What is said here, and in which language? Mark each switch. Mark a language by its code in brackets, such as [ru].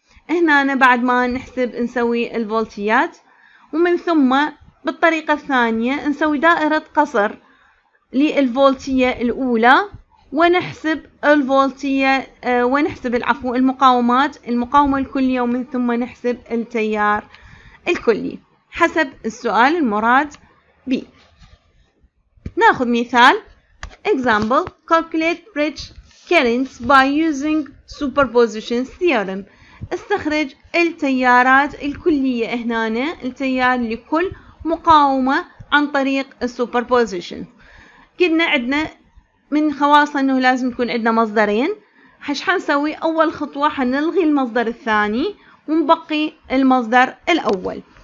[ar] هنا بعد ما نحسب نسوي الفولتيات، ومن ثم بالطريقة الثانية نسوي دائرة قصر للفولتية الأولى ونحسب الفولتية ونحسب العفو المقاومات، المقاومة الكلية، ومن ثم نحسب التيار الكلي حسب السؤال المراد به. ناخذ مثال [en] example: calculate bridge currents by using superpositions theorem. [ar] استخرج التيارات الكلية هنا، التيار لكل مقاومة عن طريق superpositions. قلنا عندنا من خواص انه لازم يكون عندنا مصدرين. حش حنسوي اول خطوة حنلغي المصدر الثاني ونبقي المصدر الاول.